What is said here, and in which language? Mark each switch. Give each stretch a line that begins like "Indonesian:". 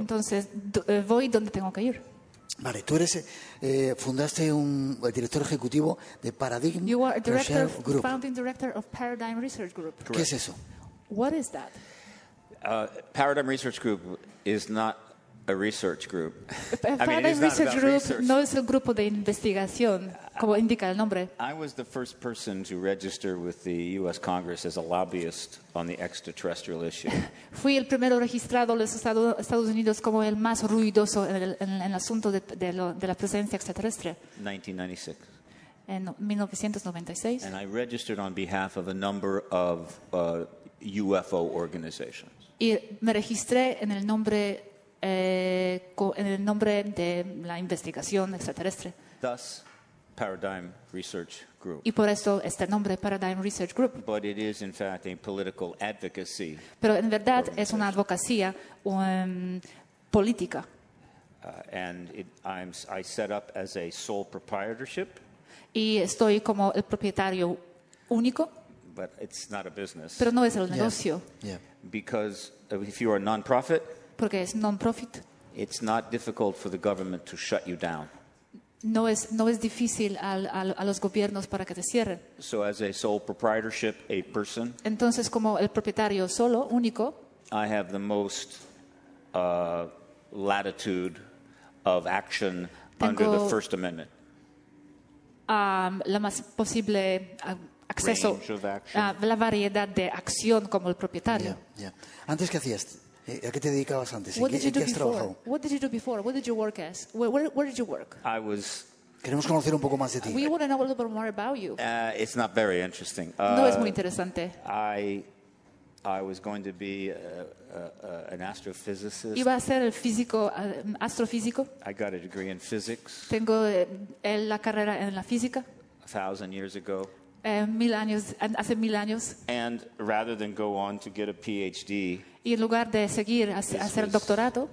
Spanish: Entonces voy donde tengo que ir. Vale, tú eres fundaste un director ejecutivo de Paradigm
English: Research Group. Founding director of Paradigm Research Group.
Spanish: ¿Qué es eso?
English: What is that? Paradigm Research Group is not a research group.
Spanish: Paradigm Research Group no es el grupo de investigación, como indica el nombre.
English: I was the first person to register with the U.S. Congress as a lobbyist on the extraterrestrial issue.
Spanish: Fui el primero registrado en los Estados Unidos como el más ruidoso en el asunto de la presencia extraterrestre.
English: 1996.
Spanish: En 1996.
English: And I registered on behalf of a number of UFO organizations.
Spanish: Y me registré en el nombre en el nombre de la investigación extraterrestre.
English: Thus, Paradigm Research Group.
Spanish: Y por eso este nombre, Paradigm Research Group.
English: But it is in fact a political advocacy.
Spanish: Pero en verdad es una advocacia política.
English: I set up as a sole proprietorship.
Spanish: Y estoy como el propietario único.
English: But it's not a business.
Spanish: Pero no es el negocio.
English: Yeah. Because if you are a non-profit,
Spanish: porque es non-profit.
English: It's not difficult for the government to shut you down.
Spanish: No es difícil a los gobiernos para que te cierren.
English: So as a sole proprietorship, a person.
Spanish: Entonces como el propietario solo, único.
English: I have the most latitude of action under the First Amendment.
Spanish: La más posible acceso.
English: Range of action.
Spanish: La variedad de acción como el propietario. Yeah. Antes que hacías. ¿A qué te dedicabas antes?
English: What did you do before? What did you do before? What did you work as? Where did you work? I was.
Spanish: Queremos conocer un poco más de ti.
English: We want to know a little bit more about you. It's not very interesting.
Spanish: No es muy interesante.
English: I was going to be an astrophysicist.
Spanish: Iba a ser el físico astrofísico.
English: I got a degree in physics.
Spanish: Tengo la carrera en la física.
English: 1,000 years ago.
Spanish: Hace 1,000 años.
English: And rather than go on to get a PhD.
Spanish: Y en lugar de seguir a hacer el doctorado.